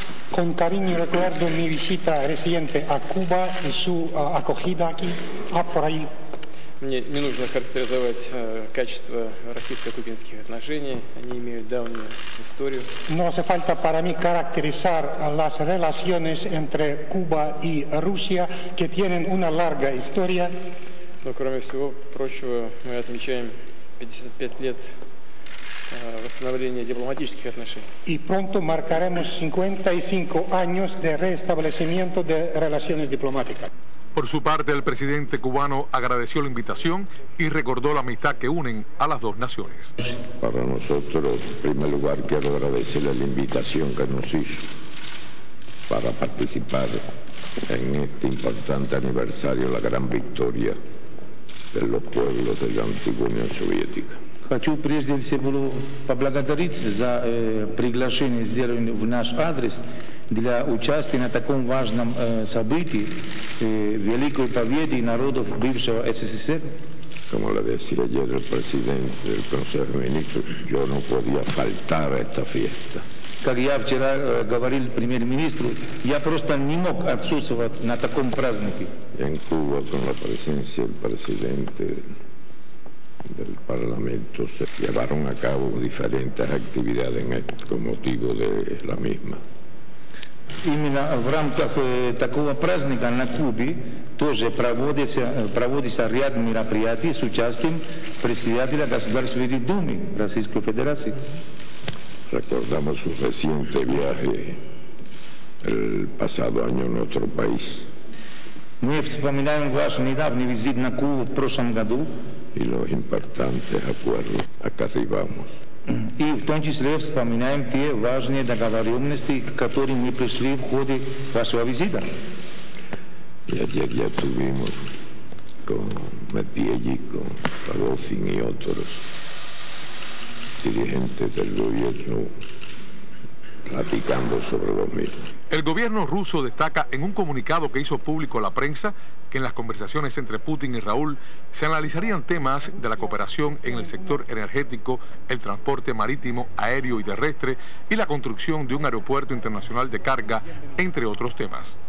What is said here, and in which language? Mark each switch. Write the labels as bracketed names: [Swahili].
[Spanish] Con cariño recuerdo mi visita reciente a Cuba y su acogida aquí, por ahí. [Russian] Не нужно характеризовать качество российско-кубинских отношений, они имеют давнюю историю. [Spanish] No hace falta para mí caracterizar las relaciones entre Cuba y Rusia, que tienen una larga historia. [Russian] Но кроме всего прочего, мы отмечаем 55 лет восстановления дипломатических отношений. [Spanish] Y pronto marcaremos 55 años de restablecimiento de relaciones diplomáticas. Por su parte, el presidente cubano agradeció la invitación y recordó la amistad que unen a las dos naciones. Para nosotros, en primer lugar, quiero agradecerle la invitación que nos hizo para participar en este importante aniversario, la gran victoria de los pueblos de la antigua Unión Soviética. [Russian] Хочу прежде всего поблагодарить за приглашение, сделанное в наш адрес для участия на таком важном событии великой победы народов бывшего СССР. [Spanish] Como le decía ayer el presidente del Consejo de Ministros, yo no podía faltar a esta fiesta. [Russian] Как я вчера говорил премьер-министру, я просто не мог отсутствовать на таком празднике. [Spanish] En Cuba, con la presencia del presidente del Parlamento, se llevaron a cabo diferentes actividades con motivo de la misma. [Russian] Именно в рамках такого праздника на Кубе тоже проводится ряд мероприятий с участием председателя Государственной Думы Российской Федерации. [Spanish] Recordamos su reciente viaje el pasado año en otro país. [Russian] Мы вспоминаем ваш недавний визит на Кубу в прошлом году. [Spanish] Y los importantes acuerdos acá arribamos. [Russian] Y в том числе вспоминаем те важные договоренности, к которым мы пришли в ходе вашего визита. [Spanish] Y ayer ya tuvimos con Medvedev, con Rogozin y otros dirigentes del gobierno platicando sobre los mismos. El gobierno ruso destaca en un comunicado que hizo público a la prensa que en las conversaciones entre Putin y Raúl se analizarían temas de la cooperación en el sector energético, el transporte marítimo, aéreo y terrestre y la construcción de un aeropuerto internacional de carga, entre otros temas.